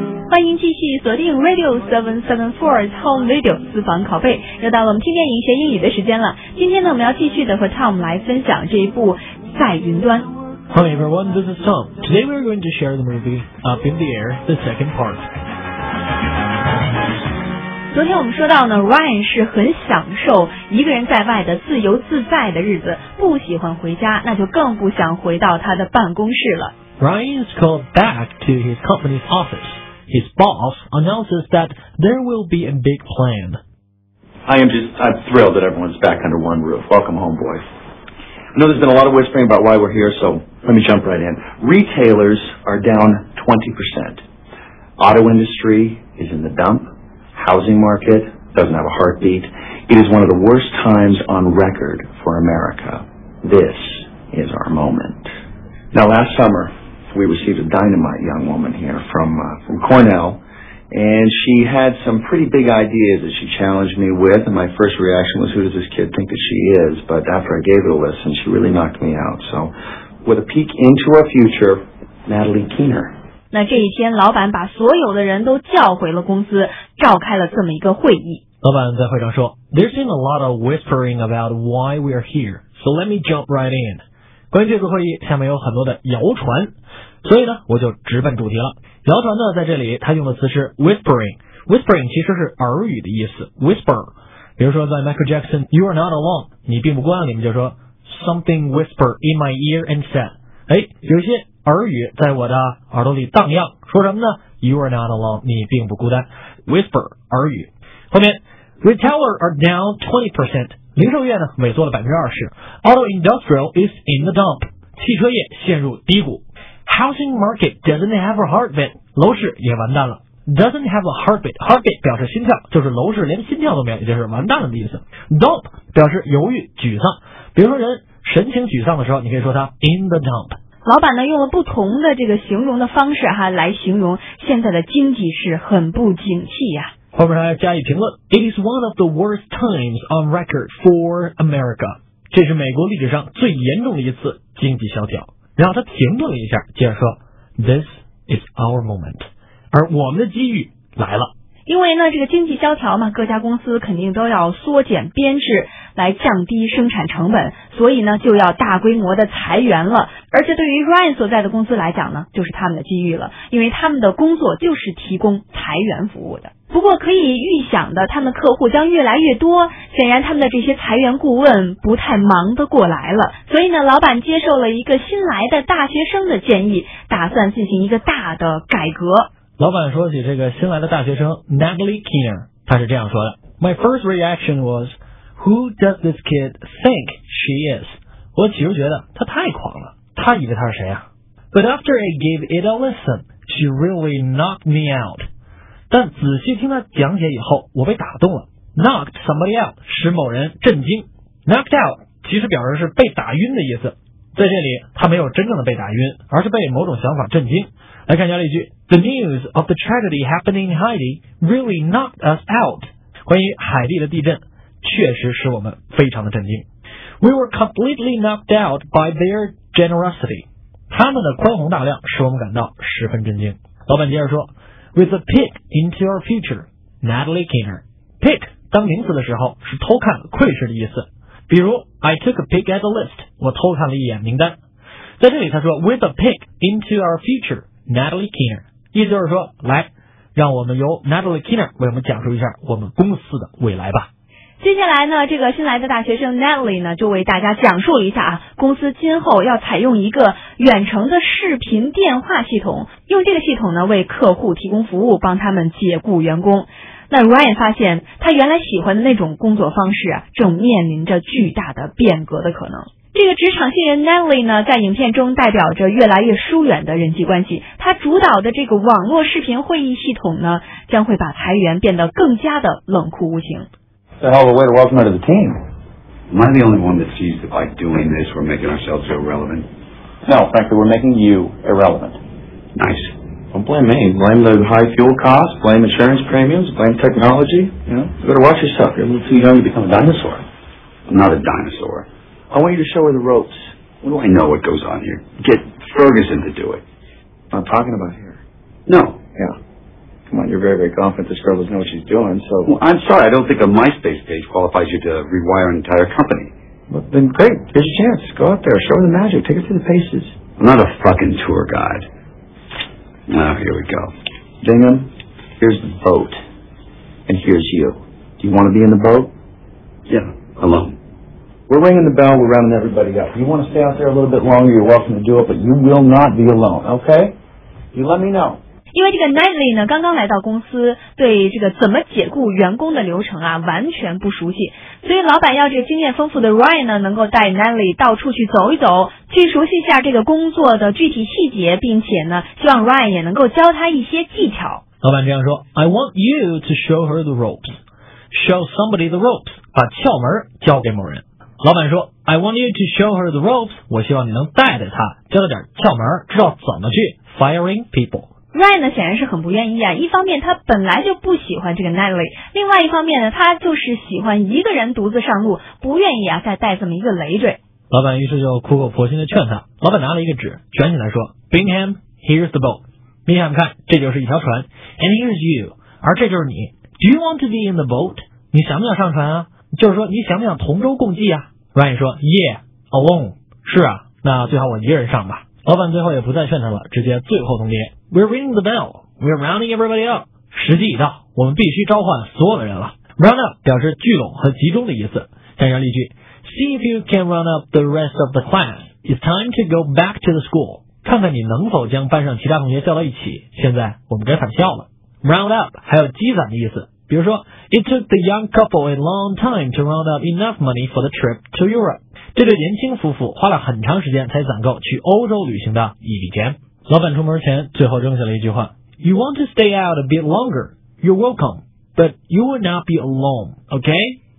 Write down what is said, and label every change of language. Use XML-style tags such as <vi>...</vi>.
<zh>欢迎继续锁定 Radio 774 Home Radio 私房拷贝，又到了我们天天赢学英语的时间了。今天呢，我们要继续的和 Tom 来分享这一部《在云端》。</zh> <en>Hi everyone, this is Tom. Today we are going to share the movie Up in the Air, the second part.</en> <zh>昨天我们说到呢 ，Ryan 是很享受一个人在外的自由自在的日子，不喜欢回家，那就更不想回到他的办公室了。</zh> <en>Ryan is called back to his company's office. His boss announces that there will be a big plan. I'm thrilled that everyone's back under one roof. Welcome home, boys. I know there's been a lot of whispering about why we're here, so let me jump right in. Retailers are down 20%. Auto industry is in the dump. Housing market doesn't have a heartbeat. It is one of the worst times on record for America. This is our moment. Now, last summer,we received a dynamite young woman here from Cornell, and she had some pretty big ideas that she challenged me with, and my first reaction was, who does this kid think that she is? But after I gave it a listen, she really knocked me out. So with a peek into our future, Natalie Keener.</en> <zh>那这一天老板把所有的人都叫回了公司，召开了这么一个会议。老板在会上说，</zh> <en>There's been a lot of whispering about why we are here, so let me jump right in.</en> <zh>关于这次会议，下面有很多的谣传，所以呢，我就直奔主题了。谣传呢，在这里他用的词是 whispering， whispering 其实是耳语的意思， whisper。比如说，在 Michael Jackson You Are Not Alone， 你并不孤单里面就说</zh> <en>something whispered in my ear and said，</en> <zh>哎，有些耳语在我的耳朵里荡漾，说什么呢？ You Are Not Alone， 你并不孤单， whisper 耳语。后面</zh> <en>retailers are down 20%。</en> <zh>零售业呢，萎缩了20%。</zh> <en>Auto industrial is in the dump，</en> <zh>汽车业陷入低谷。</zh> <en>Housing market doesn't have a heartbeat，</en> <zh>楼市也完蛋了。</zh> <en>Doesn't have a heartbeat，</en> <zh>heartbeat 表示心跳，就是楼市连心跳都没有，也就是完蛋了的意思。 Dump 表示犹豫、沮丧，比如说人神情沮丧的时候，你可以说他</zh> <en>in the dump。</en> <zh>老板呢，用了不同的这个形容的方式哈，来形容现在的经济是很不景气呀。后面还要加以评论</zh> <en>It is one of the worst times on record for America</en> <zh>这是美国历史上最严重的一次经济萧条然后他停顿了一下接着说</zh> <en>This is our moment</en> <zh>而我们的机遇来了因为呢这个经济萧条嘛各家公司肯定都要缩减编制来降低生产成本所以呢就要大规模的裁员了而且对于 Ryan 所在的公司来讲呢就是他们的机遇了因为他们的工作就是提供裁员服务的不过可以预想的他们的客户将越来越多显然他们的这些裁员顾问不太忙得过来了所以呢老板接受了一个新来的大学生的建议打算进行一个大的改革老板说起这个新来的大学生 Natalie Keener 他是这样说的</zh> <en>My first reaction was Who does this kid think she is?</en> <zh>我起初觉得他太狂了他以为他是谁啊</zh> <en>But after I gave it a listen She really knocked me out</en> <zh>但仔细听他讲解以后我被打动了</zh> <en>knocked somebody out</en> <zh>使某人震惊 knocked out 其实表示是被打晕的意思在这里他没有真正的被打晕而是被某种想法震惊来看下例句</zh> <en>The news of the tragedy happening in Haiti really knocked us out</en> <zh>关于海地的地震确实使我们非常的震惊</zh> <en>We were completely knocked out by their generosity</en> <zh>他们的宽宏大量使我们感到十分震惊老板接着说</zh> <en>With a peek into our future, Natalie Keener.</en> <zh>Peek 当名词的时候是偷看、窥视的意思。比如 ，</zh> <en>I took a peek at the list.</en> <zh>我偷看了一眼名单。在这里，他说 ，</zh> <en>With a peek into our future, Natalie Keener.</en> <zh>意思就是说，来，让我们由 Natalie Keener 为我们讲述一下我们公司的未来吧。接下来呢，这个新来的大学生 Natalie 呢，就为大家讲述一下啊，公司今后要采用一个远程的视频电话系统，用这个系统呢为客户提供服务，帮他们解雇员工。那 Ryan 发现，他原来喜欢的那种工作方式啊，正面临着巨大的变革的可能。这个职场新人 Natalie 呢，在影片中代表着越来越疏远的人际关系。他主导的这个网络视频会议系统呢，将会把裁员变得更加的冷酷无情。</zh> <en>That's all the way to welcome her to the team. Am I the only one that sees that by doing this we're making ourselves irrelevant? No, frankly, we're making you irrelevant. Nice. Don't blame me. Blame the high fuel costs, blame insurance premiums, blame technology. You better watch yourself. You're a little too young to become a dinosaur. I'm not a dinosaur. I want you to show her the ropes. What do I know what goes on here? Get Ferguson to do it. I'm talking about here. No. Yeah. you're very, very confident this girl doesn't know what she's doing, so... Well, I'm sorry, I don't think a MySpace page qualifies you to rewire an entire company. Well, then great, here's your chance. Go out there, show her the magic, take her through the paces. I'm not a fucking tour guide. Now, here we go. Bingham, here's the boat. And here's you. Do you want to be in the boat? Yeah, alone. We're ringing the bell, we're rounding everybody up. You want to stay out there a little bit longer, you're welcome to do it, but you will not be alone, okay? You let me know.</en> <zh>因为这个 Knightley 呢刚刚来到公司，对这个怎么解雇员工的流程啊完全不熟悉，所以老板要这个经验丰富的 Ryan 呢能够带 Knightley 到处去走一走，去熟悉一下这个工作的具体细节，并且呢希望 Ryan 也能够教他一些技巧。老板这样说，</zh> <en>I want you to show her the ropes. Show somebody the ropes.</en> <zh>把窍门交给某人。老板说，</zh> <en>I want you to show her the ropes.</en> <zh>我希望你能带着她，教她点窍门，知道怎么去</zh> <en>firing people。</en> <zh>Ryan 呢显然是很不愿意啊，一方面他本来就不喜欢这个 Knightley， 另外一方面呢他就是喜欢一个人独自上路，不愿意啊再带这么一个累赘。老板于是就苦口婆心的劝他，老板拿了一个纸卷起来说， Bingham，</zh> <en>here's the boat，</en> <zh>Bingham 看这就是一条船，</zh> <en>and here's you，</en> <zh>而这就是你，</zh> <en>do you want to be in the boat，</en> <zh>你想不想上船啊，就是说你想不想同舟共济啊。 Ryan 说，</zh> <en>yeah， alone，</en> <zh>是啊，那最好我一个人上吧。老板最后也不再劝他了，直接最后通牒，</zh> <en>We're ringing the bell, we're rounding everybody up.</en> <zh>时机已到，我们必须召唤所有的人了。Round up 表示聚拢和集中的意思。像这例句，</zh> <en>See if you can round up the rest of the class. It's time to go back to the school.</en> <zh>看看你能否将班上其他同学叫到一起，现在我们该返校了。</zh> <en>Round up</en> <zh>还有积攒的意思，比如说</zh> <en>It took the young couple a long time to round up enough money for the trip to Europe.</en> <zh>这对年轻夫妇花了很长时间才攒够去欧洲旅行的一笔钱。老板出门前最后扔下了一句话，</zh> <en>You want to stay out a bit longer, you're welcome, but you will not be alone, okay?</en>